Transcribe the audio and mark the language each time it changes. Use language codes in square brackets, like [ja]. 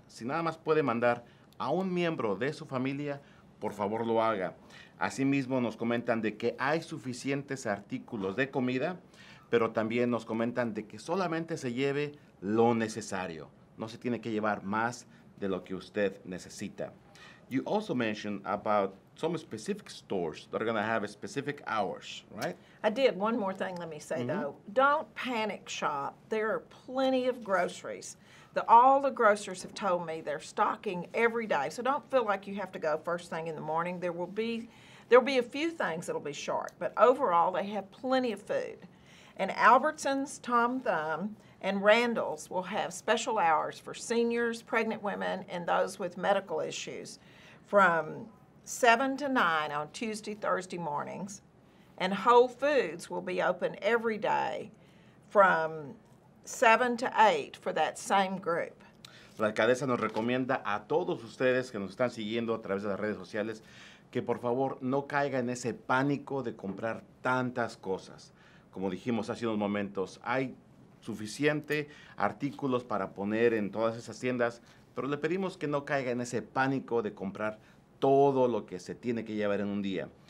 [es] Si nada más puede mandar a un miembro de su familia, por favor, lo haga. Asimismo, nos comentan de que hay suficientes artículos de comida, pero también nos comentan de que solamente se lleve lo necesario. No se tiene que llevar más de lo que usted necesita. [en] You also mentioned about some specific stores that are going to have specific hours, right? I did. One more thing let me say, though. Don't panic shop. There are plenty of groceries. All the grocers have told me they're stocking every day. So don't feel like you have to go first thing in the morning. There will be a few things that will be short, but overall they have plenty of food. And Albertsons, Tom Thumb, and Randall's will have special hours for seniors, pregnant women, and those with medical issues from 7 to 9 on Tuesday, Thursday mornings. And Whole Foods will be open every day from 7 to 8 for that same group. [es] La alcaldesa nos recomienda a todos ustedes que nos están siguiendo a través de las redes sociales que por favor no caiga en ese pánico de comprar tantas cosas. Como dijimos hace unos momentos, hay suficiente artículos para poner en todas esas tiendas, pero le pedimos que no caiga en ese pánico de comprar todo lo que se tiene que llevar en un día.